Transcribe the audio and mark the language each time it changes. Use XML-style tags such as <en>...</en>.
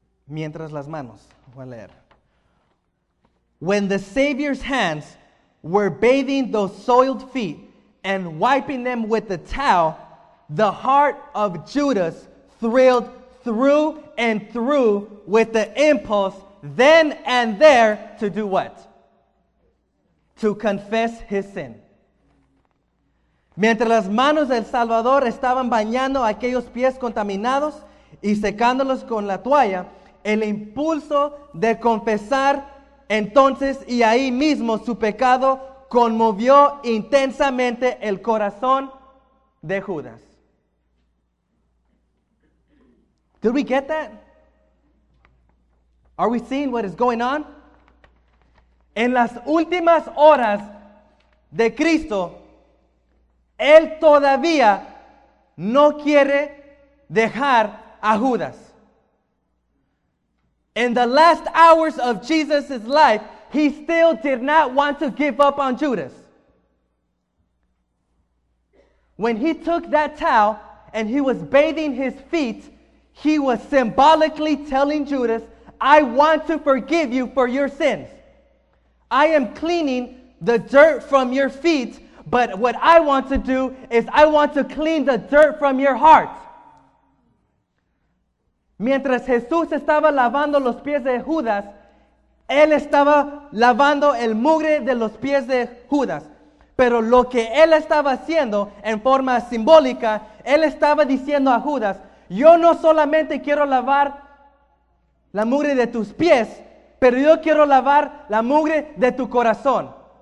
<es>Mientras las manos, voy a leer.</es> <en>When the Savior's hands were bathing those soiled feet and wiping them with the towel, the heart of Judas thrilled through and through with the impulse then and there to do what? To confess his sin.</en> <es>Mientras las manos del Salvador estaban bañando aquellos pies contaminados y secándolos con la toalla, el impulso de confesar entonces y ahí mismo su pecado conmovió intensamente el corazón de Judas.</es> <en>Did we get that? Are we seeing what is going on?</en> <es>En las últimas horas de Cristo, Él todavía no quiere dejar a Judas.</es> <en>In the last hours of Jesus' life, he still did not want to give up on Judas. When he took that towel and he was bathing his feet, he was symbolically telling Judas, I want to forgive you for your sins. I am cleaning the dirt from your feet, but what I want to do is I want to clean the dirt from your heart.</en> <es>Mientras Jesús estaba lavando los pies de Judas, Él estaba lavando el mugre de los pies de Judas. Pero lo que Él estaba haciendo en forma simbólica, Él estaba diciendo a Judas, yo no solamente quiero lavar la mugre de tus pies, pero yo quiero lavar la mugre de tu corazón.</es>